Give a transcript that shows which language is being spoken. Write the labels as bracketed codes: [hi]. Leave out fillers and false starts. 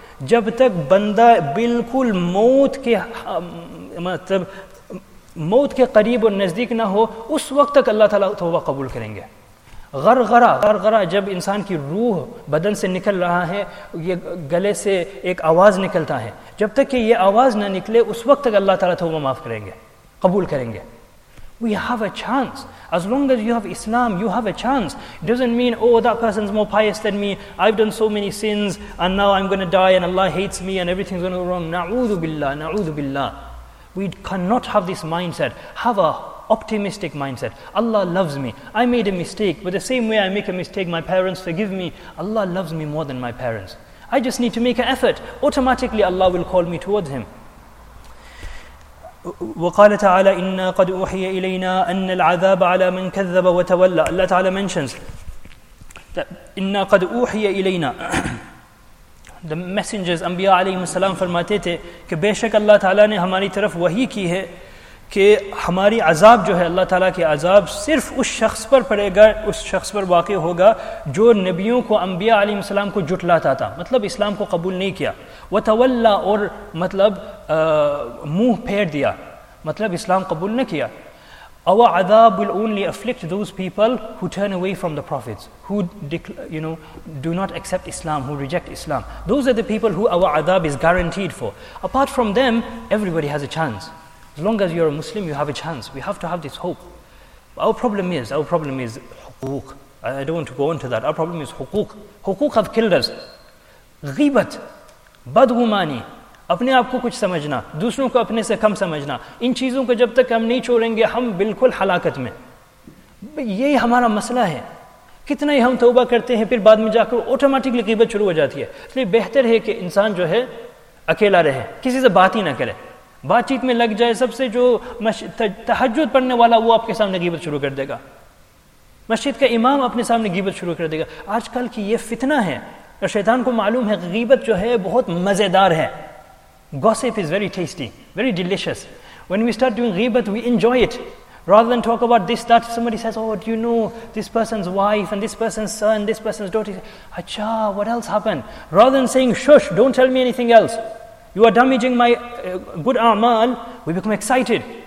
[ur] جَبْ تَكْ بَنْدَا بِلْكُلْ مَوْتْ كِي مَتَبْ موت کے قریب اور نزدیک نہ ہو اس وقت تک اللہ تعالیٰ توبہ قبول کریں گے. غرغرہ جب انسان کی روح بدن سے نکل رہا ہے یہ گلے سے ایک آواز نکلتا ہے جب تک کہ یہ آواز نہ نکلے اس وقت تک اللہ تعالیٰ توبہ معاف کریں گے قبول کریں گے. [en] We have a chance. As long as you have Islam, you have a chance. It doesn't mean, oh, that person's more pious than me, I've done so many sins and now I'm going to die and Allah hates me and everything's going to go wrong. Na'udhu billah. We cannot have this mindset. Have a optimistic mindset. Allah loves me. I made a mistake, but the same way I make a mistake, my parents forgive me. Allah loves me more than my parents. I just need to make an effort. Automatically Allah will call me towards Him. [ar] وَقَالَ تَعَالَى إِنَّا قَدْ أُوحِيَ إِلَيْنَا أَنَّ الْعَذَابَ عَلَى مَنْ كَذَّبَ وَتَوَلَّى. [en] Allah Ta'ala mentions that [ar] إِنَّا قَدْ أُوحِيَ إِلَيْنَا. [en] The messengers, Anbiya alayhi salam, [ur] فرماتے تھے کہ بے شک اللہ تعالیٰ نے ہماری طرف وحی کی ہے کہ ہماری عذاب جو ہے اللہ تعالیٰ کے عذاب صرف اس شخص پر پڑے گا, اس شخص پر واقع ہوگا جو نبیوں کو انبیاء علیہ السلام کو جھٹلاتا تھا, مطلب اسلام کو قبول نہیں کیا. وتولا اور مطلب منہ پھیر دیا, مطلب اسلام قبول نہ کیا. [en] Our adab will only afflict those people who turn away from the prophets, who do not accept Islam, who reject Islam. Those are the people who our adab is guaranteed for. Apart from them, everybody has a chance. As long as you're a Muslim, you have a chance. We have to have this hope. Our problem is huquq. I don't want to go into that. Our problem is huquq. Huquq have killed us. Ghibat, badgumani. [ur] اپنے آپ کو کچھ سمجھنا, دوسروں کو اپنے سے کم سمجھنا, ان چیزوں کو جب تک ہم نہیں چھوڑیں گے ہم بالکل ہلاکت میں. یہی ہمارا مسئلہ ہے. کتنا ہی ہم توبہ کرتے ہیں پھر بعد میں جا کر آٹومیٹکلی غیبت شروع ہو جاتی ہے. اس لیے بہتر ہے کہ انسان جو ہے اکیلا رہے, کسی سے بات ہی نہ کرے, بات چیت میں لگ جائے. سب سے جو تہجد پڑھنے والا وہ آپ کے سامنے غیبت شروع کر دے گا, مسجد کا امام اپنے سامنے غیبت شروع کر دے گا. آج کل کی یہ فتنہ ہے اور شیطان کو معلوم ہے غیبت جو ہے بہت مزیدار ہے. [en] Gossip is very tasty, very delicious. When we start doing ghibat, we enjoy it. Rather than talk about this, that, somebody says, oh, do you know this person's wife and this person's son, this person's daughter? Acha, what else happened? Rather than saying, shush, don't tell me anything else, you are damaging my good a'mal, we become excited.